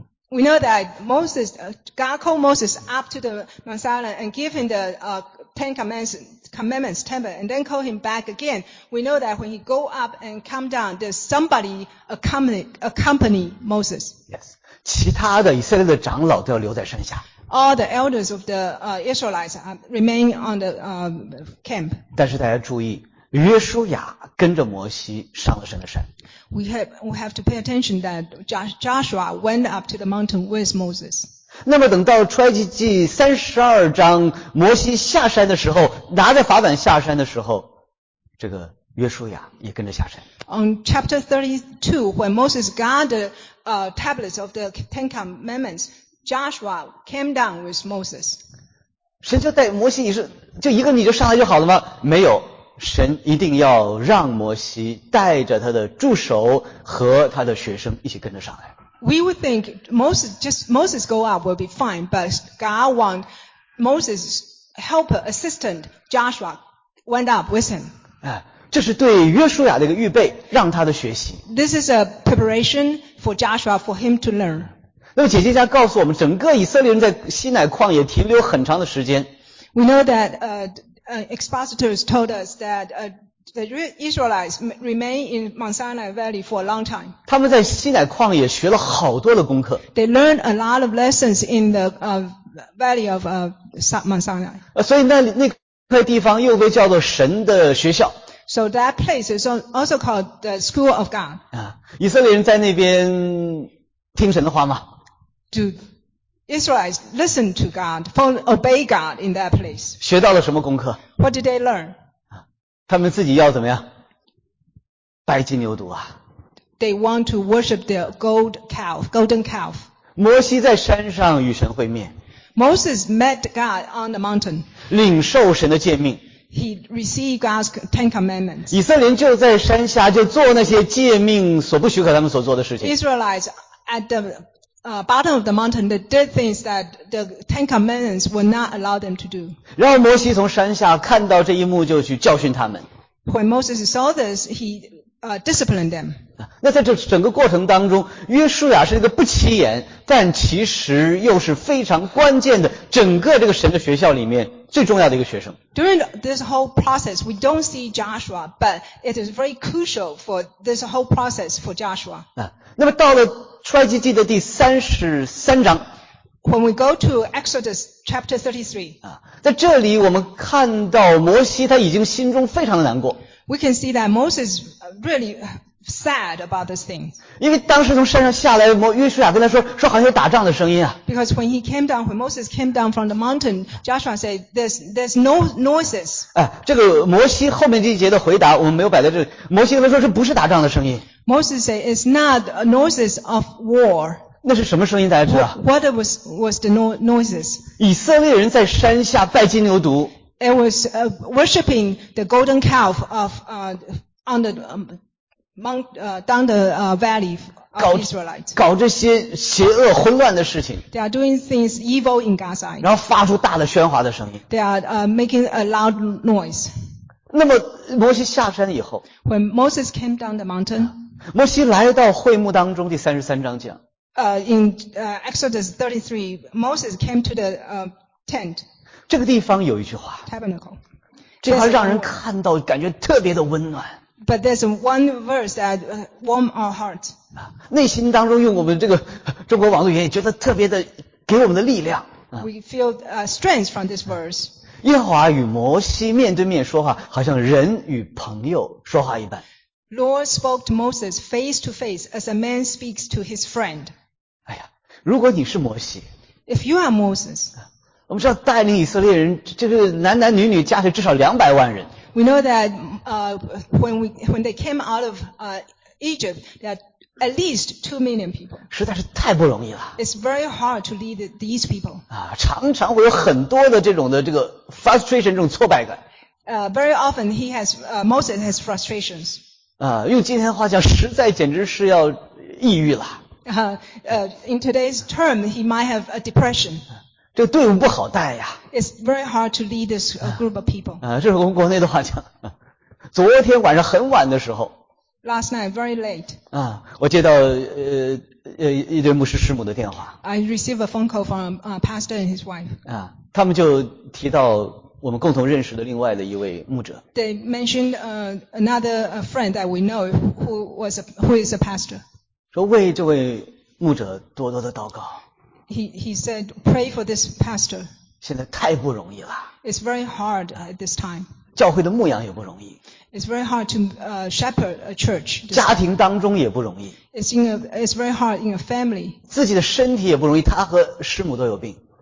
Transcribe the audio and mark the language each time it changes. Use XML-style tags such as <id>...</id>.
<en>We know that Moses, God called Moses up to the Mount Sinai and gave him the Ten Commandments tablet, and then call him back again. We know that when he go up and come down, there's somebody accompany Moses. Yes.</en> <zh>其他的以色列的长老都要留在山下。</zh> <en>All the elders of the Israelites remain on the camp.</en> <zh>但是大家注意，约书亚跟着摩西上了神的山。</zh> <en>We have to pay attention that Joshua went up to the mountain with Moses.</en> <zh>那么等到出埃及记32章摩西下山的时候，拿着法碗下山的时候，这个约书亚也跟着下山。</zh> <en>On chapter 32, when Moses got the tablets of the Ten Commandments, Joshua came down with Moses.</en> <zh>神就带摩西，你是就一个你就上来就好了吗？没有。神一定要让摩西带着他的助手和他的学生一起跟着上来。</zh> <en>We would think Moses go up will be fine, but God want Moses' helper assistant Joshua went up with him.</en> <zh>这是对约书亚的一个预备，让他的学习。</zh> <en>This is a preparation for Joshua for him to learn.</en> <zh>那么解经家告诉我们，整个以色列人在西乃旷野停留很长的时间。</zh> <en>We know that expositors told us that the Israelites remained in Mount Sinai Valley for a long time.</en> <zh>他们在西乃旷野学了好多的功课。</zh> <en>They learned a lot of lessons in the valley of Mount Sinai.</en> <zh>所以那块地方又被叫做神的学校。</zh> <en>So that place is also called the School of God.</en> <zh>以色列人在那边听神的话吗？</zh> <en>Do Israelites listen to God, obey God in that place.</en> <zh>学到了什么功课？</zh> <en>What did they learn?</en> <zh>他们自己要怎么样？拜金牛犊啊。</zh> <en>They want to worship the gold calf, golden calf.</en> <zh>摩西在山上与神会面。</zh> <en>Moses met God on the mountain.</en> <zh>领受神的诫命。</zh> <en>He received God's Ten Commandments.</en> <zh>以色列人就在山下就做那些诫命所不许可他们所做的事情。</zh> <en>Israelites at the bottom of the mountain, they did things that the Ten Commandments would not allow them to do.</en> <zh>然后摩西从山下看到这一幕，就去教训他们。</zh> <en>When Moses saw this, he disciplined them.</en> <zh>那在这整个过程当中，约书亚是一个不起眼，但其实又是非常关键的，整个这个神的学校里面最重要的一个学生。</zh> <en>During this whole process, we don't see Joshua, but it is very crucial for this whole process for Joshua.</en> <zh>那么到了出埃及记的第33章。</zh> <en>When we go to Exodus chapter 33,</en> <zh>在这里我们看到摩西他已经心中非常的难过。</zh> <en>We can see that Moses really sad about this thing.</en> <zh>因为当时从山上下来，约书亚跟他说，说好像有打仗的声音啊。</zh> <en>Because when he came down, when Moses came down from the mountain, Joshua said, there's no noises.</en> <zh>这个摩西后面这一节的回答我们没有摆在这里。摩西跟他说这不是打仗的声音。</zh> <en>Moses said, it's not a noises of war.</en> <zh>那是什么声音大家知道</zh> <en>?What was the noises?</en> <zh>以色列人在山下拜金牛犊。</zh> <en>It was worshipping the golden calf of, on the, mount, down the valley of Israelites.</en> <zh>搞这些邪恶混乱的事情。</zh> <en>They are doing things evil in Gaza.</en> <zh>然后发出大的喧哗的声音。</zh> <en>They are making a loud noise.</en> <zh>那么摩西下山以后。</zh> <en>When Moses came down the mountain.</en> <zh>摩西来到会幕当中第33章讲。</zh> <en>Exodus 33, Moses came to the tent.</en> <zh>这个地方有一句话。</zh> <en>Tabernacle.</en> <zh>这句话让人看到感觉特别的温暖。</zh> <en>But there's one verse that warm our heart.</en> <zh>内心当中用我们这个中国网络语言也觉得特别的给我们的力量。</zh> <en>We feel strength from this verse.</en> <zh>耶和华与摩西面对面说话好像人与朋友说话一般。</zh> <en>Lord spoke to Moses face to face as a man speaks to his friend.</en> <zh>哎呀，如果你是摩西。</zh> <en>If you are Moses.</en> <zh>我们知道带领以色列人，这个男男女女加起来至少200万人。</zh> <en>We know that, when they came out of, Egypt, there are at least 2 million people.</en> <zh>实在是太不容易了。</zh> <en>It's very hard to lead these people.</en> <zh>常常会有很多的这种的这个 frustration, 这种挫败感。</zh> <en>Very often he has, Moses has frustrations.</en> <zh>用今天的话讲实在简直是要抑郁了。</zh> <en>In today's term, he might have a depression.</en> <zh>这队伍不好带呀。</zh> <en>It's very hard to lead this group of people.</en> <zh>这是我们国内的话讲。昨天晚上很晚的时候。</zh> <en>Last night, very late.</en> <zh>我接到一对牧师师母的电话。</zh> <en>I received a phone call from a pastor and his wife.</en> <zh>他们就提到我们共同认识的另外的一位牧者。</zh> <en>They mentioned, another friend that we know who is a pastor.</en> <zh>说为这位牧者多多的祷告。</zh> <en>He said, pray for this pastor.</en> <zh>现在太不容易了。</zh> <en>It's very hard at this time.</en> <zh>教会的牧养也不容易。</zh> <en>It's very hard to shepherd a church.</en> <zh>家庭当中也不容易。</zh> <en>It's very hard in a family.</en> <zh>自己的身体也不容易，他和师母都有病。</zh>